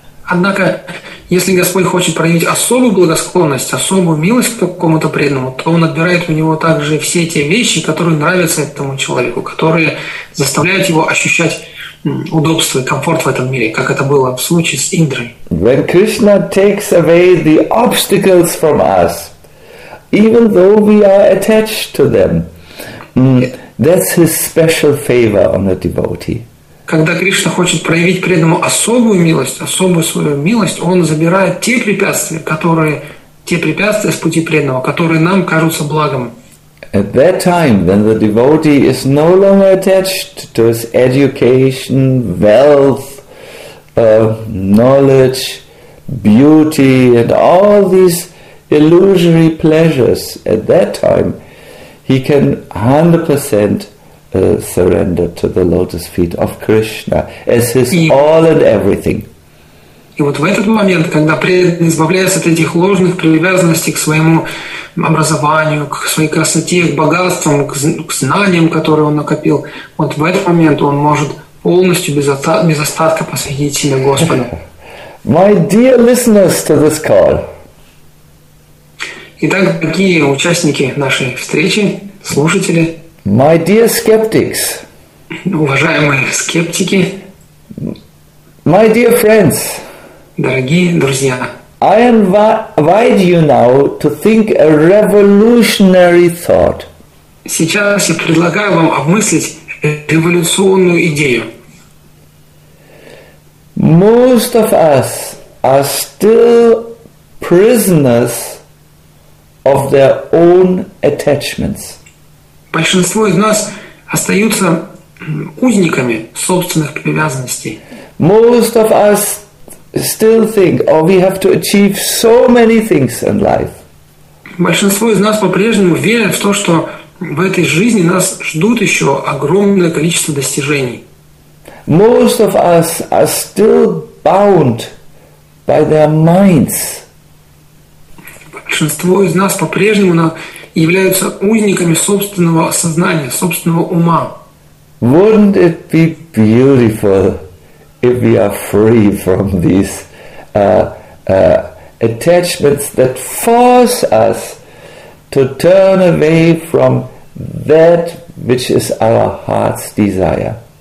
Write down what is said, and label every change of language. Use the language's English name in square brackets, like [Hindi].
[Russian] Однако, если Господь хочет проявить особую благосклонность, особую милость к какому-то преданному, то Он отбирает у него также все те вещи, которые нравятся этому человеку, которые заставляют его ощущать удобство и комфорт в этом мире, как это было в случае с Индрой. [English] When Krishna takes away the obstacles from us, even though we are attached to them, that's his special favor on a devotee. [Russian] Когда Кришна хочет проявить преданному особую милость, особую свою милость, он забирает те препятствия с пути преданного, которые нам кажутся благом. [English] At that time, when the devotee is no longer attached to his education, wealth, knowledge, beauty, and all these illusory pleasures, at that time, he can 100% surrender to the lotus feet of Krishna as his all and everything. [Russian] И вот в этот момент, когда преданный избавляется от этих ложных привязанностей к своему образованию, к своей красоте, к богатствам, к знаниям, которые он накопил, вот в этот момент он может полностью без остатка посвятить себя Господу. [English] My dear listeners to this call. [Russian] Итак, дорогие участники нашей встречи, слушатели. [English] My dear skeptics. [Russian] Уважаемые скептики. [English] My dear friends. [Russian] Дорогие друзья, [English] I invite you now to think a revolutionary thought. [Russian] Сейчас я предлагаю вам обмыслить революционную идею. [English] Most of us are still prisoners of their own attachments. [Russian] Большинство из нас остаются узниками собственных привязанностей. [English] Most of us still think, oh, we have to achieve so many things in life. [Russian] Большинство из нас по-прежнему верят в то, что в этой жизни нас ждут еще огромное количество достижений. [English] Most of us are still bound by their minds. [Russian] Большинство из нас по-прежнему являются узниками собственного сознания, собственного ума. [English] Wouldn't it be beautiful if we are free from these attachments that force us to turn away from that which is our heart's desire?